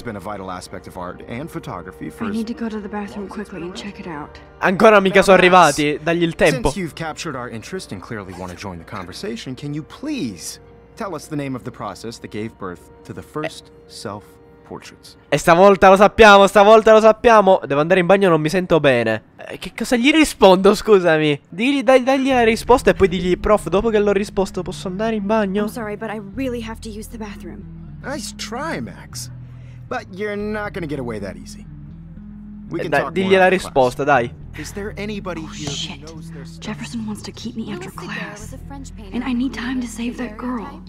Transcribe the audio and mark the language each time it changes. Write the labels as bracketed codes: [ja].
[en] Been a vital aspect of art and photography. I need to go to the bathroom quickly and check it out. [it] Ancora mica sono arrivati, dagli il tempo. [en] Since you've captured our interest and clearly want to join the conversation, can you please tell us the name of the process that gave birth to the first self-portraits? [it] E stavolta lo sappiamo, stavolta lo sappiamo. Devo andare in bagno, non mi sento bene. Che cosa gli rispondo, scusami? Digli, dagli la risposta e poi digli, prof, dopo che l'ho risposto posso andare in bagno? [en] I'm sorry, but I really have to use the bathroom. Nice try, Max. But you're not gonna get away that easy. [it] Digli la risposta, dai. [en] Is there anybody oh, here shit. Who knows their stuff? Jefferson wants to keep me after class. And I need time to save that girl.